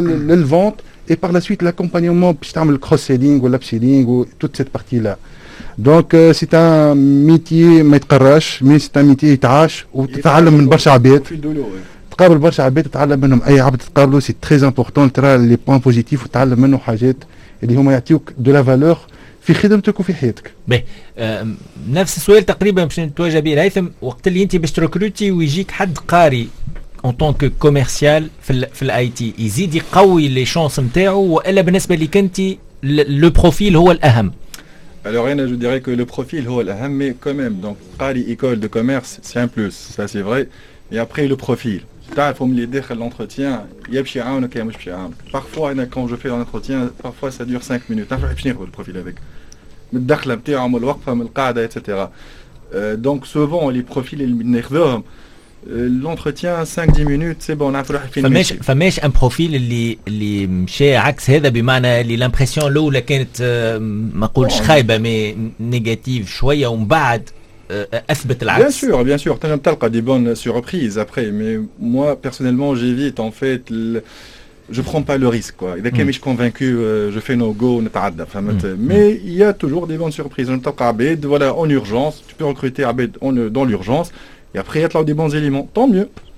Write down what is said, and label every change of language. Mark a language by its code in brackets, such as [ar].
[fr] للفونت et par la suite l'accompagnement puis tu as le cross-selling ou l'up-selling ou toute cette partie là donc c'est un métier mais tu crois mais c'est un métier tâche ou tu apprends [ar] من برشا عباد تقابل برشا عباد تتعلم منهم اي عبد تقابله [fr] c'est très important ترى les points positifs ou [ar] تعلم منه حاجات اللي هما يعطيوك [fr] de la valeur [ar] في خدمتك وفي حياتك باه نفس السؤال تقريبا باش نتواجه به هيثم وقت اللي انت باش تروكروتي ويجيك حد قاري [fr] en tant que commercial [ar] في الIT يزيد يقوي لي شانس نتاعو والا بالنسبه ليك انت لو بروفيل هو الاهم [fr] alors rien je dirais que le profil [ar] هو الاهم [fr] mais quand même donc قاري école de commerce c'est un plus ça c'est vrai et après le profil [ar] تعرف ملي داخل الانترتيان يمشي عاونك يا مش باش يعاونك [fr] parfois انا quand je fais un entretien parfois ça dure 5 minutes [ar] تعرف باش نقول البروفيل هذاك من الدخله نتاعو من الوقفه من القاعده [fr] et cetera donc souvent les profils [ar] اللي ناخذوهم [fr] l'entretien 5-10 minutes c'est bon on a fait [ar] فماش un profil اللي مشى عكس هذا بمعنى اللي l'impression الاولى كانت ما نقولش خايبه مي نيجاتيف شويه ومن بعد اثبت العكس [fr] bien sûr [ar] تنجم تلقى [fr] دي bonnes surprises après mais moi personnellement j'évite en fait je prends pas le risque quoi [ar] اذا كان مش [fr] convaincu je fais no go [ar] نتعدى فهمت [fr] mais il y a toujours des bonnes surprises on [ar] تلقى عبيد [fr] voilà en urgence tu peux recruter عبيد dans l'urgence Et après, il y a des bons éléments. Tant mieux.